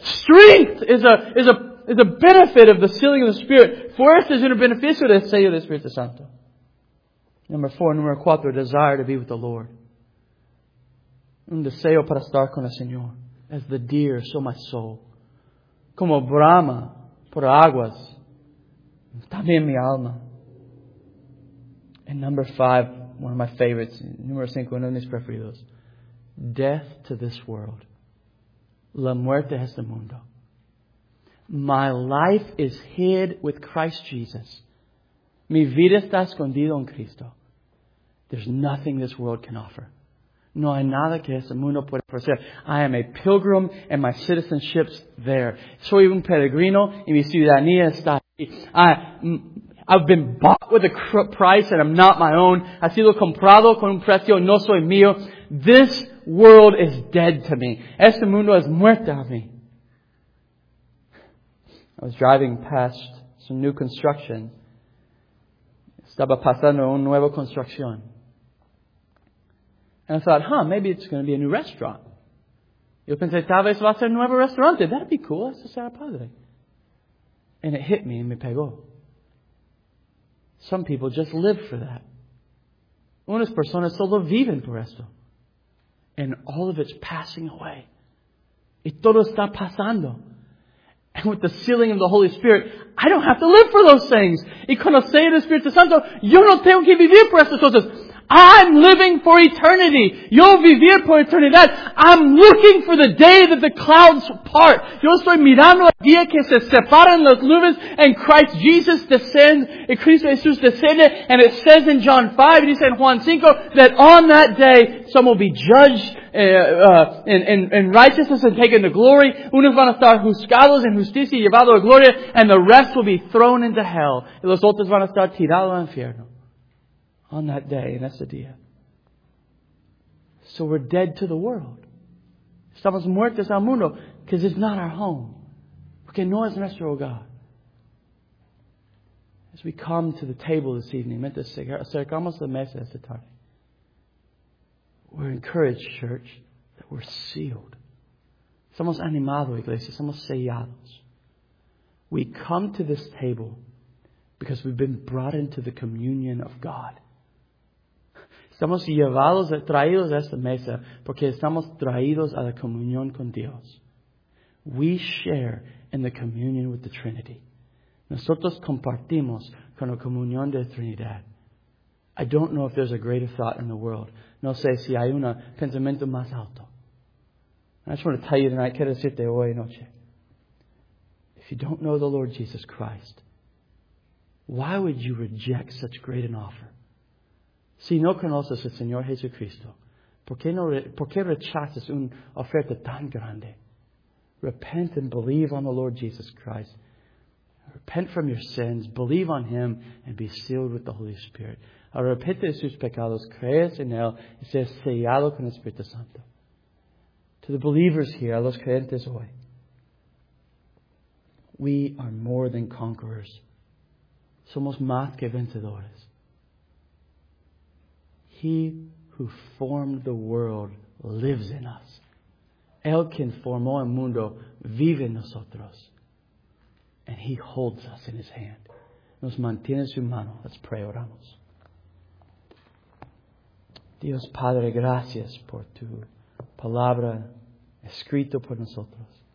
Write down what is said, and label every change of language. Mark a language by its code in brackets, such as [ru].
[en] Strength is a benefit of the sealing of the Spirit. [es] Fuerza es un beneficio del sello del Espíritu Santo. Número cuatro, [en] desire to be with the Lord. [es] Un deseo para estar con el Señor. [en] As the deer, so my soul. [es] Como brama por aguas, también mi alma. [en] And number five, one of my favorites, [es] número cinco, uno de mis preferidos. [en] Death to this world. [es] La muerte es el mundo. [en] My life is hid with Christ Jesus. [es] Mi vida está escondida en Cristo. [en] There's nothing this world can offer. [es] No hay nada que ese mundo puede ofrecer. [en] I am a pilgrim and my citizenship's there. [es] Soy un peregrino y mi ciudadanía está ahí. [en] I've been bought with a price and I'm not my own. [es] Ha sido comprado con un precio, no soy mío. [en] This world is dead to me. [es] Este mundo es muerto a mí. [en] I was driving past some new construction. [es] Estaba pasando una nueva construcción. [en] And I thought, maybe it's going to be a new restaurant. [es] Yo pensé, tal vez va a ser un nuevo restaurante. [en] That'd be cool. [es] Eso será padre. [en] And it hit me and [es] me pegó. [en] Some people just live for that. [es] Unas personas solo viven por esto. [en] And all of it's passing away. [es] Y todo está pasando. [en] And with the sealing of the Holy Spirit, I don't have to live for those things. [es] Y con el sello del Espíritu Santo, yo no tengo que vivir por estas cosas. [en] I'm living for eternity. [es] Yo vivir por eternidad. [en] I'm looking for the day that the clouds part. [es] Yo estoy mirando el día que se separan las nubes [en] and Christ Jesus descends, [es] y Cristo Jesús desciende, [en] and it says in John 5, and he said in Juan 5, that on that day, some will be judged in righteousness and taken to glory. [es] Unos van a estar juzgados en justicia y llevados a gloria, [en] and the rest will be thrown into hell. [es] Y los otros van a estar tirados al infierno. [en] On that day, in [es] ese día. [en] So we're dead to the world. [es] Estamos muertos al mundo. [en] Because it's not our home. [es] Porque no es nuestro hogar. [en] As we come to the table this evening, [es] mientras acercamos la mesa esta tarde, [en] we're encouraged, church, that we're sealed. [es] Somos animados, iglesia. Somos sellados. [en] We come to this table because we've been brought into the communion of God. [es] Estamos llevados, traídos a esta mesa porque estamos traídos a la comunión con Dios. [en] We share in the communion with the Trinity. [es] Nosotros compartimos con la comunión de la Trinidad. [en] I don't know if there's a greater thought in the world. [es] No sé si hay un pensamiento más alto. [en] I just want to tell you tonight, [es] quiero decirte hoy y noche. [en] If you don't know the Lord Jesus Christ, why would you reject such great an offer? [es] Si no conoces al Señor Jesucristo, ¿por qué rechazas una oferta tan grande? [en] Repent and believe on the Lord Jesus Christ. Repent from your sins. Believe on Him and be sealed with the Holy Spirit. [es] Arrepente de sus pecados. Crees en Él y seas sellado con el Espíritu Santo. [en] To the believers here, [es] a los creyentes hoy, [en] we are more than conquerors. [es] Somos más que vencedores. [en] He who formed the world lives in us. [es] El quien formó el mundo vive en nosotros. [en] And He holds us in His hand. [es] Nos mantiene su mano. [en] Let's pray, [es] oramos. Dios Padre, gracias por tu palabra escrito por nosotros.